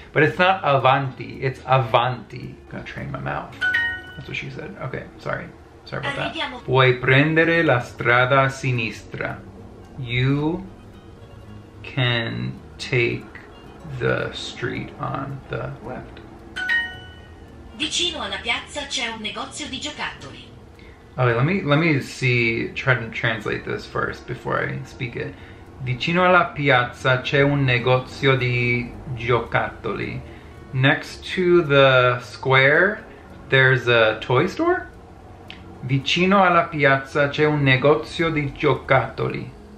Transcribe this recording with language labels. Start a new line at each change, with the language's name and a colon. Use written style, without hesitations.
English: But it's not avanti, it's avanti. I'm gonna train my mouth. That's what she said. Okay, sorry. Sorry about that.
Italian: Puoi prendere la strada sinistra.
English: You can take the street on the left.
Italian: Vicino alla piazza c'è un negozio di giocattoli.
English: Okay, try to translate this first before I speak it.
Italian: Vicino alla piazza c'è un negozio di giocattoli.
English: Next to the square, there's a toy store?
Italian: Vicino alla piazza c'è un negozio di giocattoli.